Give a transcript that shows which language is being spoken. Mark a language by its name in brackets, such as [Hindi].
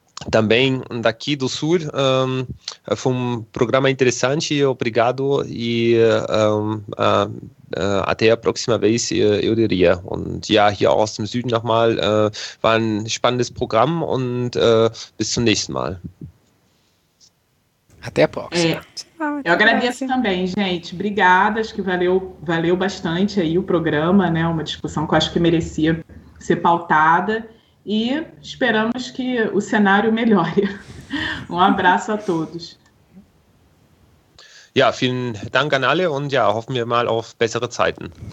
[Portuguese] Também daqui do Sul, foi um programa interessante, obrigado e até a próxima vez, eu diria. [German] Und ja, hier aus dem Süden nochmal, war ein spannendes Programm und bis zum nächsten Mal. [Portuguese] Até a próxima. Eu agradeço também, gente. Obrigada, acho que valeu bastante aí o programa, né? Uma discussão que eu acho que merecia ser pautada. E esperamos que o cenário melhore. Um abraço a todos. [German] Ja, vielen Dank an alle und ja, hoffen wir mal auf bessere Zeiten.